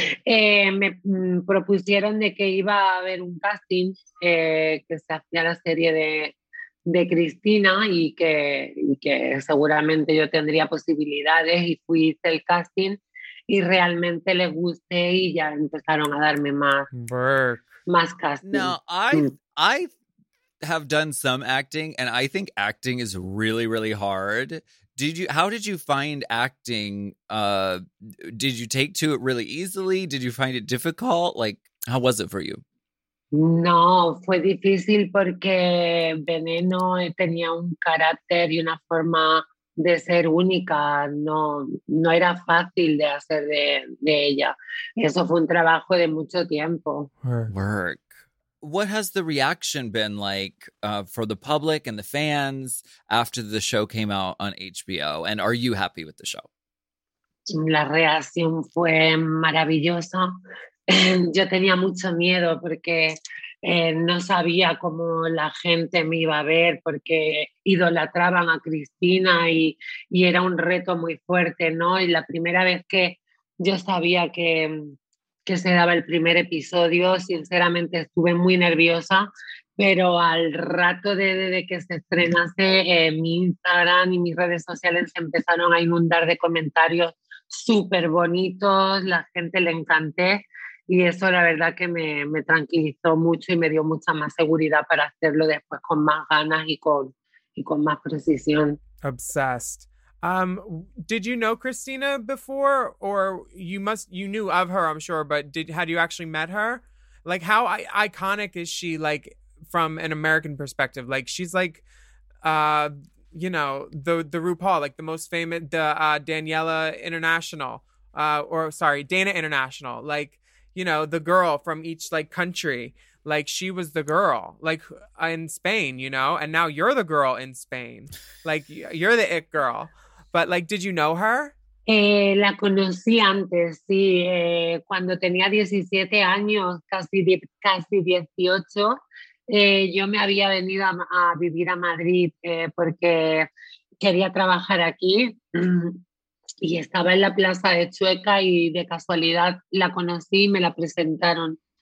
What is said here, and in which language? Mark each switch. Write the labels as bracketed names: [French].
[Spanish] Me propusieron de que iba a haber un casting que se hacía la serie de Cristina y que seguramente yo tendría posibilidades, y fui, hice el casting y realmente les gusté y ya empezaron a darme más casting. [English] No, I have done some acting, and I think acting is really, really hard. How did you find acting? Did you take to it really easily? Did you find it difficult? Like, how was it for you? [Spanish] No, fue difícil porque Veneno tenía un carácter y una forma de ser única. No era fácil de hacer de ella. Eso fue un trabajo de mucho tiempo. [English] Work. What has the reaction been like for the public and the fans after the show came out on HBO? And are you happy with the show? [Spanish] La reacción fue maravillosa. Yo tenía mucho miedo porque no sabía cómo la gente me iba a ver, porque idolatraban a Cristina y era un reto muy fuerte, ¿no? Y la primera vez que yo sabía que se daba el primer episodio, sinceramente estuve muy nerviosa, pero al rato de que se estrenase, mi Instagram y mis redes sociales se empezaron a inundar de comentarios súper bonitos, la gente le encanté, y eso la verdad que me tranquilizó mucho y me dio mucha más seguridad para hacerlo después con más ganas y con más precisión. [English] Obsessed. Did you know Cristina before, or you knew of her, I'm sure, but had you actually met her? Like, how iconic is she, like, from an American perspective? Like, she's like, you know, the RuPaul, like the most famous, Daniela International, Dana International, like, you know, the girl from each like country. Like, she was the girl, like, in Spain, you know, and now you're the girl in Spain. Like, you're the it girl. But like, did you know her? [Spanish] La conocí antes, sí. Cuando tenía 17 años, casi 18, yo me había venido a vivir a Madrid porque quería trabajar aquí. Y estaba en la Plaza de Chueca y de casualidad la conocí y me la presentaron.